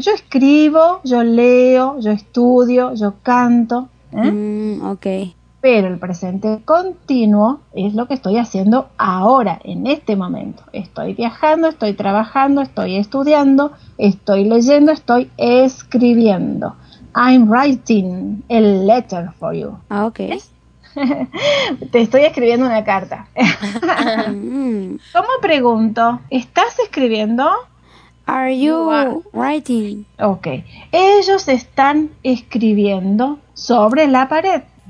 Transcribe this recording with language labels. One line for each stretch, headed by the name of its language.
Spanish: Yo escribo, yo leo, yo estudio, yo canto. Okay. Pero el presente continuo es lo que estoy haciendo ahora, en este momento. Estoy viajando, estoy trabajando, estoy estudiando, estoy leyendo, estoy escribiendo.
English: I'm writing a letter for you.
Spanish: Ah, ok. ¿Sí? Te estoy escribiendo una carta. ¿Cómo pregunto? ¿Estás escribiendo?
English: Are you writing? Ok.
Spanish: Ellos están escribiendo sobre la pared.